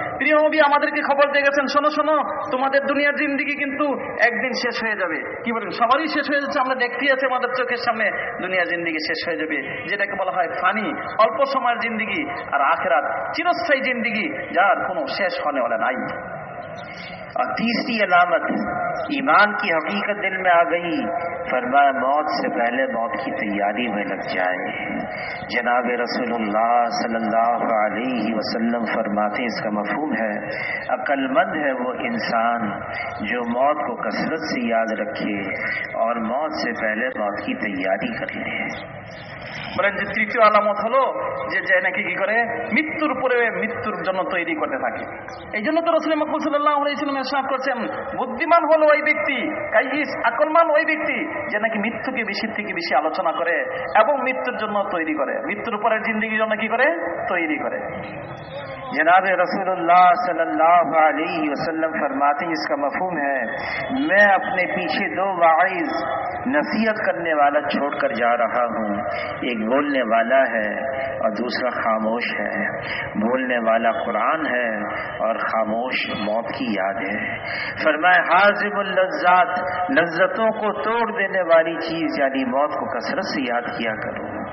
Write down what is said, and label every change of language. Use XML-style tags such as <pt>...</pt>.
<bn>প্রিয় নবী আমাদেরকে খবর দিয়ে গেছেন, শোনো শোনো তোমাদের দুনিয়ার জিন্দগি কিন্তু একদিন শেষ হয়ে যাবে। কি বলেন, সবারই শেষ হয়ে যাচ্ছে, আমরা দেখতেই আছি আমাদের চোখের সামনে দুনিয়ার জিন্দগি শেষ হয়ে যাবে, যেটাকে বলা হয় ফানি, অল্প সময়ের জিন্দগি, আর আখেরাত চিরস্থায়ী জিন্দগি, যার কোনো শেষ হওয়ার ওয়ালা নাই।</bn> <ur>اور تیسری علامت ایمان کی حقیقت دل میں آ گئی، فرمایا موت سے پہلے موت کی تیاری میں لگ جائے۔ جناب رسول اللہ صلی اللہ علیہ وسلم فرماتے ہیں، اس کا مفہوم ہے، عقل مند ہے وہ انسان جو موت کو کثرت سے یاد رکھے اور موت سے پہلے موت کی تیاری کر لے۔</ur> <bn>বলেন যে তৃতীয় আলামত হলো যে যে নাকি কি করে মৃত্যুর উপরে মৃত্যুর জন্য তৈরি করতে থাকে। এই জন্য তো রাসূল মাকবুল সাল্লাল্লাহু আলাইহি ওয়াসাল্লাম ইরশাদ করেছেন, বুদ্ধিমান হলো ওই ব্যক্তি, কাইয়িস আকলমান ওই ব্যক্তি যে নাকি মৃত্যুকে বেশি থেকে বেশি আলোচনা করে এবং মৃত্যুর জন্য তৈরি করে, মৃত্যুর উপরে জিন্দগির জন্য কি করে তৈরি করে।</bn> <ur>جناب رسول اللہ صلی اللہ علیہ وسلم فرماتے ہیں، اس کا مفہوم ہے، میں اپنے پیچھے دو واعظ نصیحت کرنے والا چھوڑ کر جا رہا ہوں، ایک بولنے والا ہے اور دوسرا خاموش ہے، بولنے والا قرآن ہے اور خاموش موت کی یاد ہے۔ فرمائے حازم اللذات، لذتوں کو توڑ دینے والی چیز یعنی موت کو کثرت سے یاد کیا کرو۔</ur>